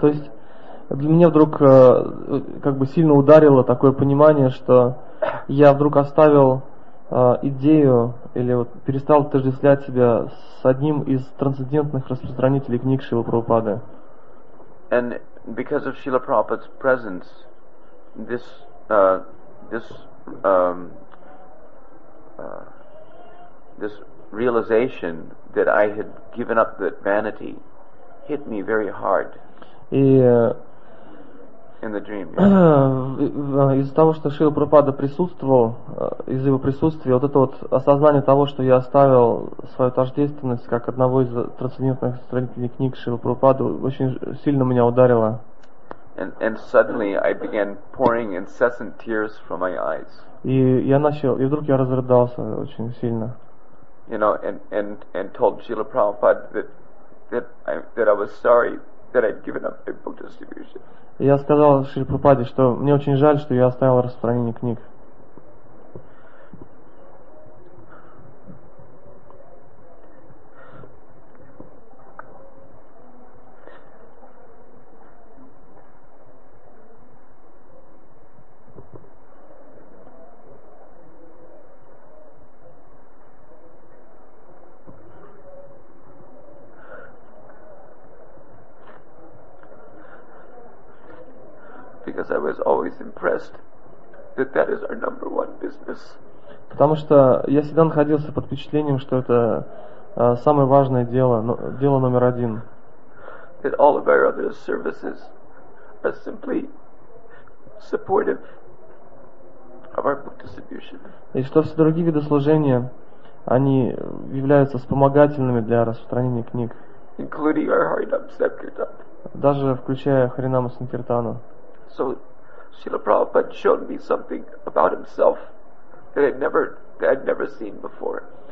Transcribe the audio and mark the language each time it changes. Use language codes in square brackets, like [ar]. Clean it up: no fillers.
[ru] То есть для меня вдруг как бы сильно ударило такое понимание, что я вдруг оставил идею или вот перестал отождествлять себя с одним из трансцендентных распространителей книг Шрилы Прабхупады. [en] And because of Srila Prabhupada's presence, this this realization that I had given up that vanity hit me very hard. In the dream. [ru] Из-за того, что Шрила Прабхупада присутствовал, из-за его присутствия, вот это вот осознание того, что я оставил свою тождественность как одного из трансцендентных строителей книг Шрила Прабхупады, очень сильно меня ударило. [en] And suddenly I began pouring incessant tears from my eyes. [ru] И вдруг я разрыдался очень сильно. [en] You know, and told Шрила Прабхупада that I was sorry that I'd given up my book distribution. [ru] Я сказал Шриле Прабхупаде, что мне очень жаль, что я оставил распространение книг. [en] Because I was always impressed that that is our number one business. [ru] Потому что я всегда находился под впечатлением, что это самое важное дело, дело номер один. [en] That all of our other services are simply supportive of our book distribution. [ru] И что все другие виды служения, они являются вспомогательными для распространения книг. [en] Including our Харинам Санкиртан. [ru] Даже включая Харинаму Санкиртану. [en] So Srila Prabhupada showed me something about himself that I'd never seen before.